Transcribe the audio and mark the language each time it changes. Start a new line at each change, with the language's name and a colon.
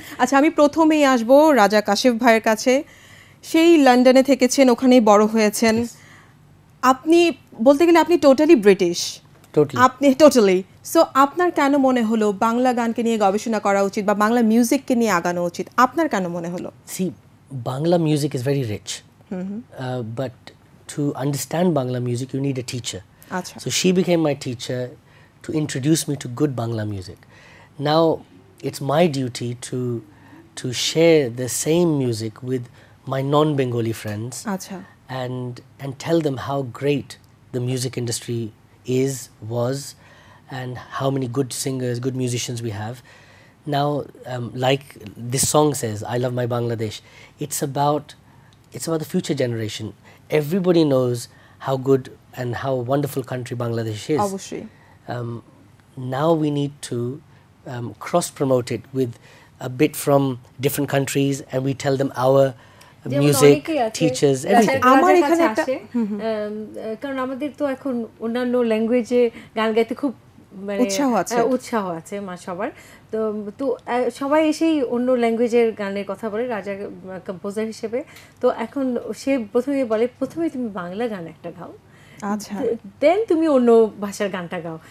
Bangla: আচ্ছা, আমি প্রথমেই আসব রাজা কাশেফ ভাইয়ের কাছে। সেই লন্ডনে থেকেছেন, ওখানেই বড় হয়েছেন, আপনি বলতে গেলে আপনি টোটালি ব্রিটিশ, আপনি টোটালি, সো আপনার কেন মনে হলো বাংলা গানকে নিয়ে গবেষণা করা উচিত বা বাংলা মিউজিককে নিয়ে আগানো উচিত, আপনার কেন মনে হলো?
English: See, Bangla music is very rich, but to understand Bangla music you need a teacher. Achha. So she became my teacher to introduce me to good Bangla music. Now it's my duty to share the same music with my non-Bengali friends. Achha. and tell them how great the music industry is, was, and how many good singers, good musicians we have. Now like this song says, I love my Bangladesh, it's about the future generation. Everybody knows how good and how wonderful country Bangladesh is. Obviously. Now we need to cross promote it with a bit from different countries, and we tell them our music, teachers, everything.
Bangla: আমার এখানে একটা, কারণ আমাদের তো এখন অন্যান্য ল্যাঙ্গুয়েজে গান গাইতে খুব মানে উৎসাহ আছে মা সবার, তো সবাই এসেই অন্য ল্যাঙ্গুয়েজের গানের কথা বলে রাজা কম্পোজার হিসেবে, তো এখন সে প্রথমে বলে, প্রথমে তুমি বাংলা গান একটা গাও, দেন তুমি অন্য ভাষার গানটা গাও।